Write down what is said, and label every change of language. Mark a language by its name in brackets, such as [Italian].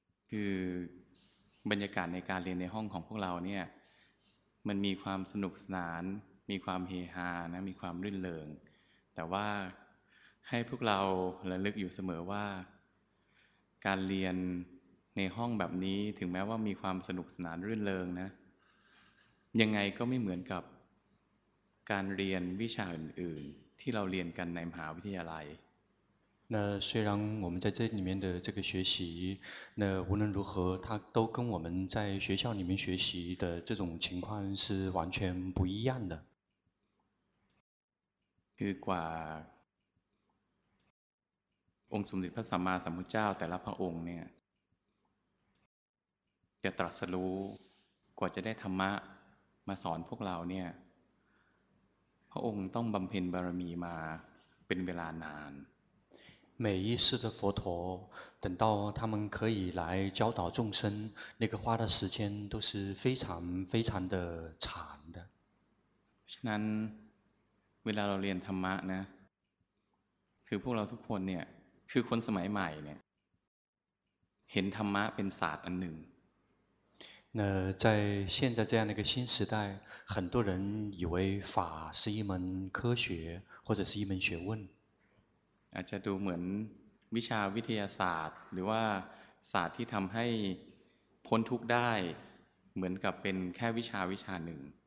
[Thai] คือบรรยากาศในการเรียนในห้องของพวกเราเนี่ยมันมีความสนุกสนานมีความเฮฮานะมีความรื่นเริงแต่ว่าให้พวกเราระลึกอยู่เสมอว่าการเรียนในห้องแบบนี้ถึงแม้ว่ามีความสนุกสนานรื่นเริงนะยังไงก็ไม่เหมือนกับการเรียนวิชาอื่นๆที่เราเรียนกันในมหาวิทยาลัย [Chinese] 那虽然我们在这里面的这个学习那无论如何它都跟我们在学校里面学习的这种情况是完全不一样的 [Thai] คือกว่าองค์สมเด็จพระสัมมาสัมพุทธเจ้าแต่ละพระองค์เนี่ยจะตรัสรู้กว่าจะได้ธรรมะมาสอนพวกเราเนี่ยพระองค์ต้องบำเพ็ญบารมีมาเป็นเวลานาน [Chinese] 每一世的佛陀等到他们可以来教导众生那个花的时间都是非常非常的长的 [Thai] ฉะนั้นเวลาเราเรียนธรรมะนะคือพวกเราทุกคนเนี่ยคือคนสมัยใหม่เนี่ยเห็นธรรมะเป็นศาสตร์อันหนึ่ง [Chinese] 那在现在这样的一个新时代很多人以为法是一门科学或者是一门学问 [Thai] อาจจะดูเหมือนวิชาวิทยาศาสตร์หรือว่าศาสตร์ที่ทำให้พ้นทุกข์ได้เหมือนกับเป็นแค่วิชาวิชาหนึ่ง